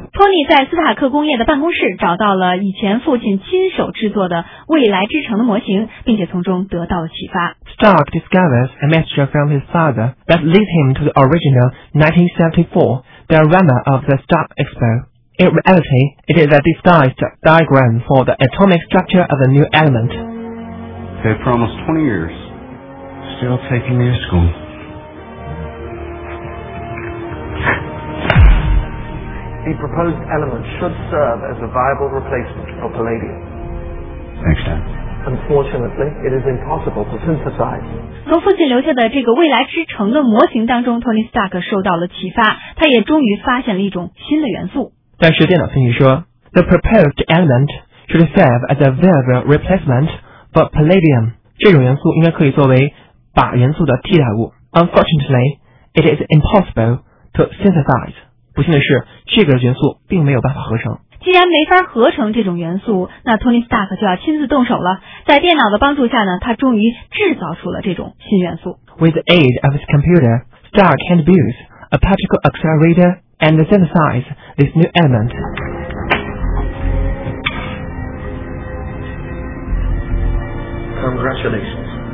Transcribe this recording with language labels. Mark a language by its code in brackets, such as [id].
[zh] 托尼在斯塔克工业的办公室找到了以前父亲亲手制作的未来之城的模型，并且从中得到了启发。 [en] Stark discovers a miniature from his father that leads him to the original 1974 diorama of the Stark Expo. In reality, it is a disguised diagram for the atomic structure of the new element. They promised 20 years. Still taking me to school. The proposed element should serve as a viable replacement for palladium. Thanks, Dad. Unfortunately, it is impossible to synthesize. [zh] 从父亲留下的这个未来之城的模型当中， Tony Stark 受到了启发，他也终于发现了一种新的元素。但是电脑分析说， [en] The proposed element should serve as a viable replacement for palladium. [zh] 这种元素应该可以作为靶元素的替代物。 [en] Unfortunately, it is impossible to synthesize. [zh] 不幸的是，这个元素并没有办法合成。既然没法合成这种元素，那 Tony Stark 就要亲自动手了。在电脑的帮助下呢，他终于制造出了这种新元素。 [en] With the aid of his computer, Stark can build a particle accelerator and synthesize this new element. Congratulations.